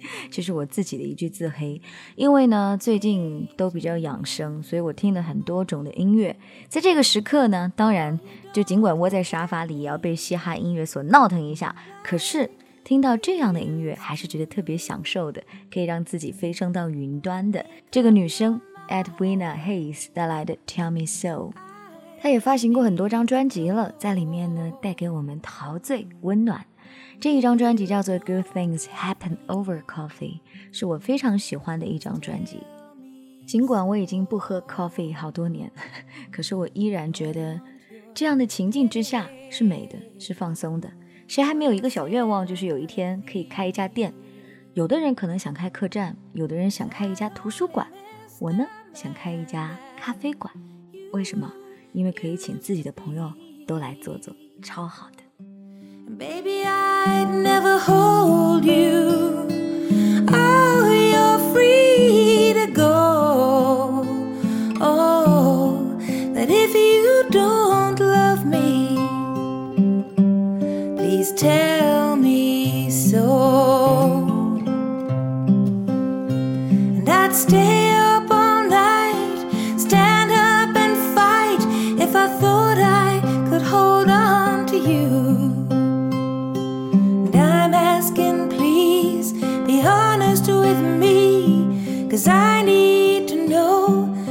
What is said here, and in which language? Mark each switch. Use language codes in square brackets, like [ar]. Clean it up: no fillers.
[zh] 这是我自己的一句自黑。因为呢最近都比较养生，所以我听了很多种的音乐。在这个时刻呢，当然就尽管窝在沙发里也要被嘻哈音乐所闹腾一下，可是听到这样的音乐还是觉得特别享受的，可以让自己飞升到云端的。这个女生 Edwina Hayes 带来的 Tell Me So。他也发行过很多张专辑了，在里面呢带给我们陶醉温暖。这一张专辑叫做 Good Things Happen Over Coffee， 是我非常喜欢的一张专辑。尽管我已经不喝 coffee 好多年，可是我依然觉得这样的情境之下是美的，是放松的。谁还没有一个小愿望，就是有一天可以开一家店。有的人可能想开客栈，有的人想开一家图书馆，我呢想开一家咖啡馆。为什么？因为可以请自己的朋友都来坐坐，超好的。 [en] Baby I'd never hold you Oh you're free to go Oh But if you don't love me Please tell me so And I'd stayCause I need to know